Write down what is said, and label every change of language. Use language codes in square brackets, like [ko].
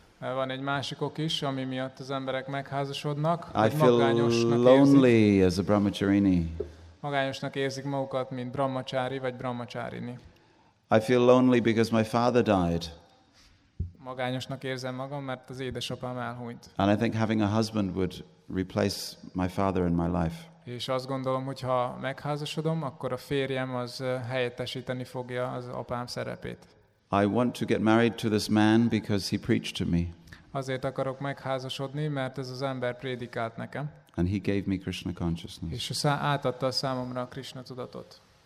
[hu] Van egy másik ok is, ami miatt az emberek megházasodnak. [en] I feel lonely as a Brahmacharini. [hu] Magányosnak érzik magukat, mint Brahmachari vagy Brahmacharini. [en] I feel lonely because my father died. [hu] Magányosnak érzem magam, mert az édesapám elhunyt. [en] And I think having a husband would replace my father in my life. [hu] És azt gondolom, hogy ha megházasodom, akkor a férjem az helyettesíteni fogja az apám szerepét. [en] I want to get married to this man because he preached to me. [hu] Azért akarok megházasodni, mert ez az ember prédikált nekem. [en] And he gave me Krishna consciousness. [hu] És átadta a számomra a Krishna tudatot.